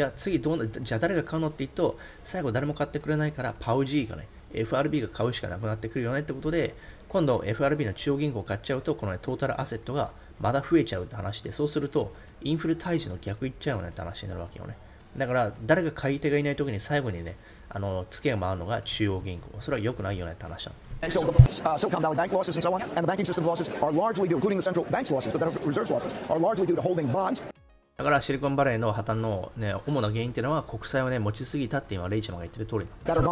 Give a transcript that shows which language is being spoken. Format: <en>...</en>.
<ja>じゃあ次どうな、じゃあ誰が買うのって言うと、最後誰も買ってくれないから、パウジーがね、FRB が買うしかなくなってくるよねってことで、今度 FRB の中央銀行を買っちゃうと、このね、トータルアセットがまだ増えちゃうって話で、そうするとインフレ退治の逆いっちゃうよねって話になるわけよね。だから誰が買い手がいないときに最後にね、ツケが回るのが中央銀行。それは良くないよねって話なの。</ja> <en>And so, Silicon Valley bank losses and so on, and the banking system losses are largely due, including the central bank's losses, the Federal Reserve's losses, are largely due to holding bonds.</en> <ja>だからシリコンバレーの破綻の、ね、主な原因っていうのは、国債を、ね、持ちすぎたっていうのは、レイちゃんが言ってる通りだ。</ja>